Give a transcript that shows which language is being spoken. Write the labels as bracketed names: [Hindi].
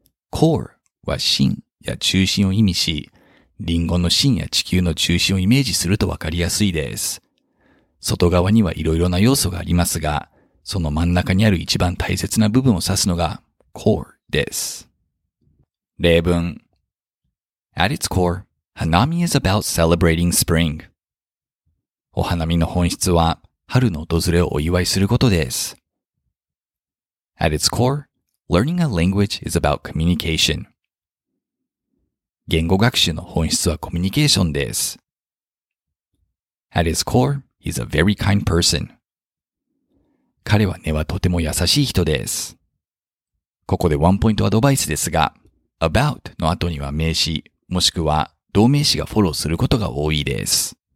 [Japanese] Core は芯や中心を意味し、リンゴの芯や地球の中心をイメージするとわかりやすいです。外側にはいろいろな要素がありますが、その真ん中にある一番大切な部分を指すのが Core です。例文。 [English] At its core, Hanami is about celebrating spring. [Japanese] お花見の本質は春の訪れをお祝いすることです。 [English] At its core, learning a language is about communication. [Japanese] 言語学習の本質はコミュニケーションです。 [English] At its core, he's a very kind person. [Japanese] 彼は根はとても優しい人です。ここでワンポイントアドバイスですが、about の後には名詞、もしくは動名詞がフォローすることが多いです。